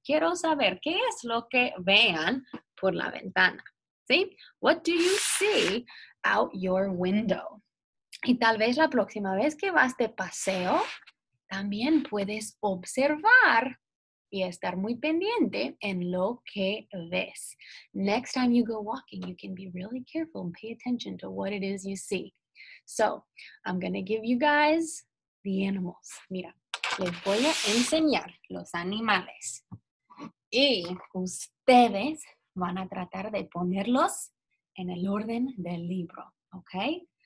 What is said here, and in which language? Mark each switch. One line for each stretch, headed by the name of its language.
Spanish: Quiero saber qué es lo que vean por la ventana. ¿Sí?
English: What do you see out your window?
Spanish: Y tal vez la próxima vez que vas de paseo, también puedes observar y estar muy pendiente en lo que ves.
English: Next time you go walking, you can be really careful and pay attention to what it is you see. So, I'm going to give you guys the animals.
Spanish: Mira, les voy a enseñar los animales. Y ustedes van a tratar de ponerlos en el orden del libro, ¿ok?